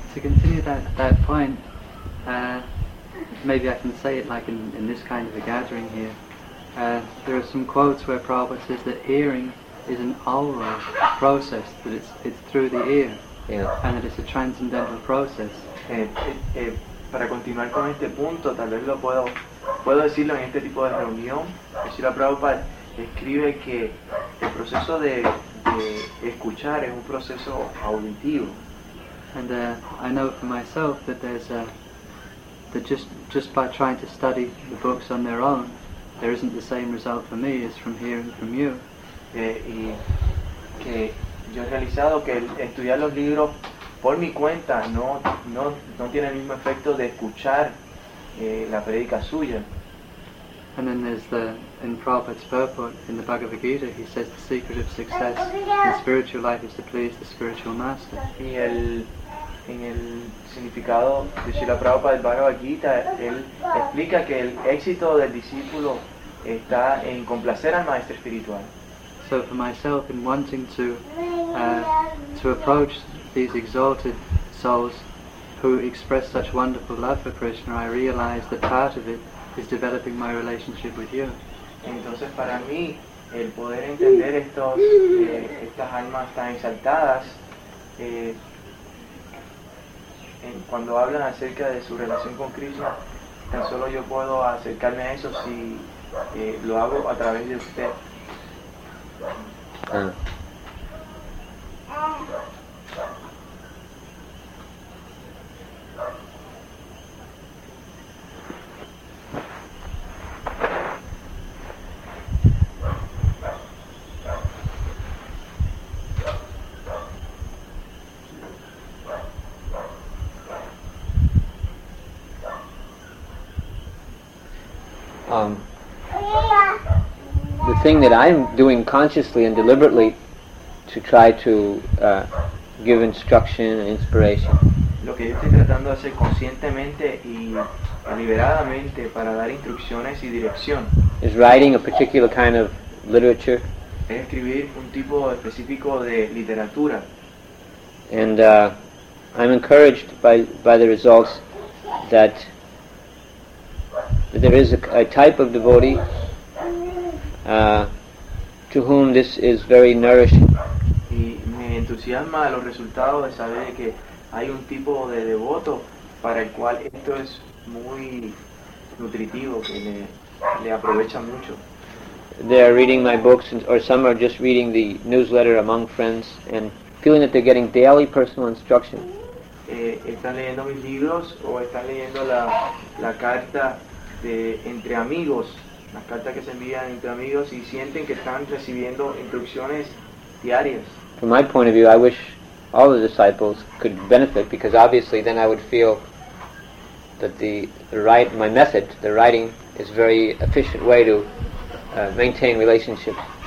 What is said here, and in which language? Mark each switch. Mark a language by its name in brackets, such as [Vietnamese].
[English] To continue that point, maybe I can say it like in this kind of a gathering here. There are some quotes where Prabhupada says that hearing is an aural process, that it's through the ear, yeah, and that it's a transcendental process. [Spanish] Para continuar con este punto, tal vez lo puedo decirlo en este tipo de reunión. Srila Prabhupada escribe que el proceso de escuchar es un proceso auditivo. [English] And I know for myself that there's a that just by trying to study the books on their own, there isn't the same result for me as from hearing from you. [Spanish] Y que yo he realizado que estudiar los libros por mi cuenta no tiene el mismo efecto de escuchar la predica suya. [English] And then there's the, in Prabhupada's purport, in the Bhagavad Gita, he says the secret of success in spiritual life is to please the spiritual master. [Spanish] Y el, en el significado de Srila Prabhupada del Bhagavad Gita, él explica que el éxito del discípulo está en complacer al maestro espiritual. [English] So for myself, in wanting to approach these exalted souls who express such wonderful love for Krishna, I realize that part of it is developing my relationship with you. [Spanish] Entonces para mí, el poder entender estos, estas almas tan exaltadas, cuando hablan acerca de su relación con Krishna, tan solo yo puedo acercarme a eso si lo hago a través de usted. [English] The thing that I'm doing consciously and deliberately to try to give instruction and inspiration. [Spanish] Lo que yo estoy tratando de hacer conscientemente y deliberadamente para dar instrucciones y dirección. [English] Is writing a particular kind of literature. [Spanish] Es escribir un tipo específico de literatura. [English] And I'm encouraged by the results that there is a type of devotee to whom this is very nourishing. [Spanish] Y me entusiasma los resultados de saber que hay un tipo de devoto para el cual esto es muy nutritivo, que le aprovecha mucho. [English] They are reading my books, or some are just reading the newsletter among friends and feeling that they're getting daily personal instruction. [Spanish] Están leyendo mis libros o están leyendo la carta de entre amigos, las cartas que se envían entre amigos, y sienten que están recibiendo instrucciones diarias. [English] From my point of view, I wish all the disciples could benefit, because obviously then I would feel that my method, the writing, is very efficient way to maintain relationships.